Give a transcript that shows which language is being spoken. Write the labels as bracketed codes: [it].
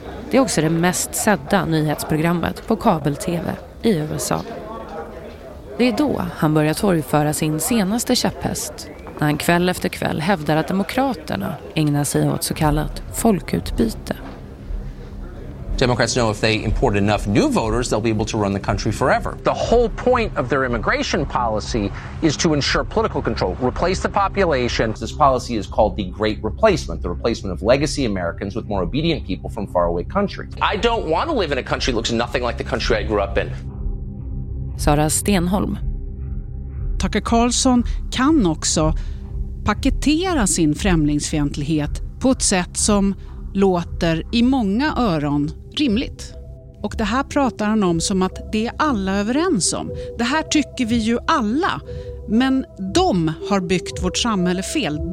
[sv] Det är också det mest sedda nyhetsprogrammet på kabel-tv i USA. Det är då han börjar torgföra sin senaste käpphäst, när han kväll efter kväll hävdar att demokraterna ägnar sig åt så kallat folkutbyte. [en] Democrats know if they import enough new voters, they'll be able to run the country forever. The whole point of their immigration policy is to ensure political control, replace the population. This policy is called the Great Replacement, the replacement of legacy Americans with more obedient people from faraway countries. I don't want to live in a country that looks nothing like the country I grew up in. [sv] Sara Stenholm. Tucker Carlson kan också paketera sin främlingsfientlighet på ett sätt som låter i många öron rimligt. Och det här pratar han om som att det är alla överens om. Det här tycker vi ju alla. Men de har byggt vårt samhälle fel.